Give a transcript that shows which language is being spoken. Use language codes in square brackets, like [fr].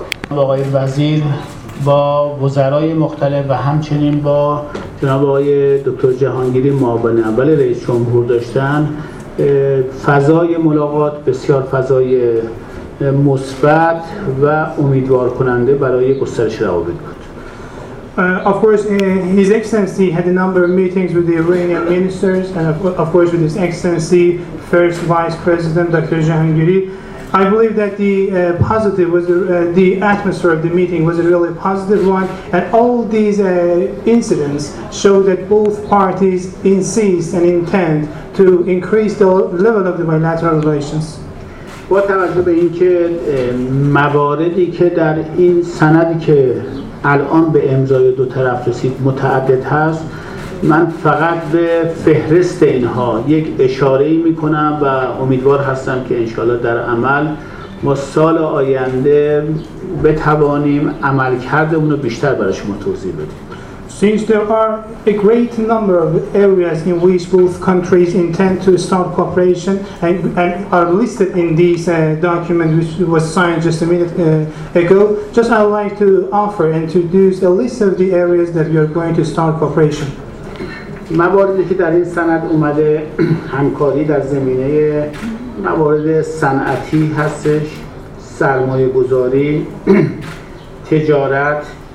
[fa] آقای وزیر با وزرای مختلف و همچنین با جناب آقای دکتر جهانگیری معاون اول رئیس جمهور داشتن، فضای ملاقات بسیار فضای مثبت و امیدوار کننده برای گسترش روابط بود. [en] Of course, His Excellency had a number of meetings with the Iranian ministers and of course with His Excellency First Vice President Dr. Jahangiri. I believe that the positive was the atmosphere of the meeting was a really positive one, and all these incidents show that both parties insist and intend to increase the level of the bilateral relations. [fa] با توجه به اینکه مواردی که در این سند که الان به امضای دو طرف رسید متعدد هست، من فقط به فهرست اینها یک اشاره‌ای می‌کنم و امیدوار هستم که انشاءالله در عمل ما سال آینده بتوانیم عملکردمون رو بیشتر برای شما توضیح بدیم. [en] Since there are a great number of areas in which both countries intend to start cooperation and are listed in this document which was signed just a minute ago, just I'd like to offer and introduce a list of the areas that we are going to start cooperation. [fa] مواردی که در این سند اومده همکاری در زمینه موارد صنعتی هستش، سرمایه گذاری، تجارت،